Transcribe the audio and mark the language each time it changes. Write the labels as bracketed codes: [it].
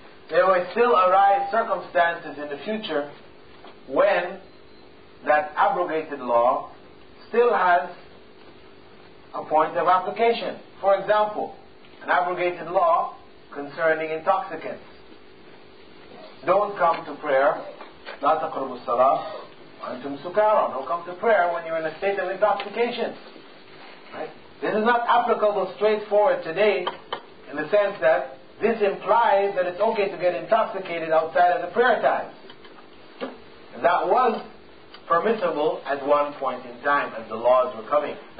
[en] There may still arise circumstances in the future when that abrogated law still has a point of application. For example, an abrogated law concerning intoxicants. Don't come to prayer. [ar] لا تقربوا الصلاة وأنتم سكارى. [en] Don't come to prayer when you're in a state of intoxication. Right? This is not applicable straightforward today, in the sense that this implies that it's okay to get intoxicated outside of the prayer time. That was permissible at one point in time as the laws were coming.